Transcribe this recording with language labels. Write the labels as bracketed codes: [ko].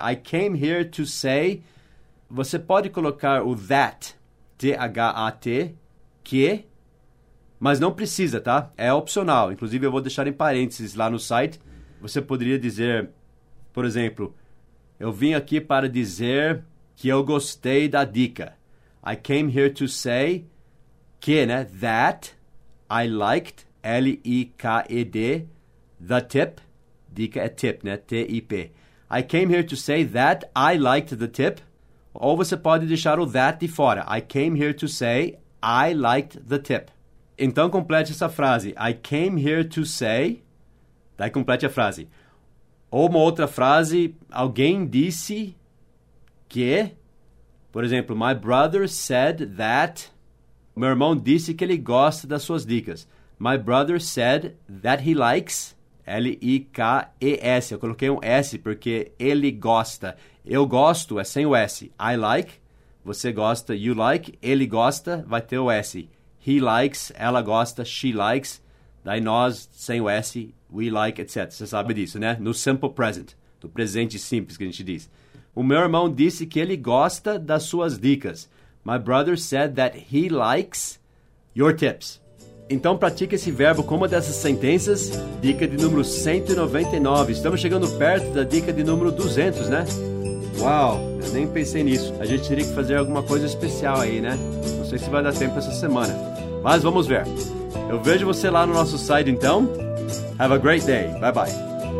[en] I came here to say. [pt] Você pode colocar o that, T-H-A-T, que, mas não precisa, tá? É opcional. Inclusive, eu vou deixar em parênteses lá no site. Você poderia dizer, por exemplo, eu vim aqui para dizer que eu gostei da dica. [en] I came here to say que, né? That I liked, L-I-K-E-D, the tip. [pt] Dica é tip, né? [en] T-I-P. I came here to say that I liked the tip. [pt] Ou você pode deixar o that de fora. [en] I came here to say I liked the tip. [pt] Então, complete essa frase. [en] I came here to say... [pt] Daí, complete a frase. Ou uma outra frase. Alguém disse que... Por exemplo, [en] my brother said that... [pt] Meu irmão disse que ele gosta das suas dicas. [en] My brother said that he likes... [pt] L-I-K-E-S. Eu coloquei um S porque ele gosta. Eu gosto é sem o S. [en] I like. [pt] Você gosta. [en] You like. [pt] Ele gosta. Vai ter o S. [en] He likes. [pt] Ela gosta. [en] She likes. [pt] Daí nós, sem o S. [en] We like, [pt] etc. Você sabe disso, né? No simple present. No presente simples que a gente diz. O meu irmão disse que ele gosta das suas dicas. [en] My brother said that he likes your tips. [pt] Então pratique esse verbo com uma dessas sentenças. Dica de número 199. Estamos chegando perto da dica de número 200, né? Uau, eu nem pensei nisso. A gente teria que fazer alguma coisa especial aí, né? Não sei se vai dar tempo essa semana. Mas vamos ver. Eu vejo você lá no nosso site, então. [en] Have a great day. Bye-bye.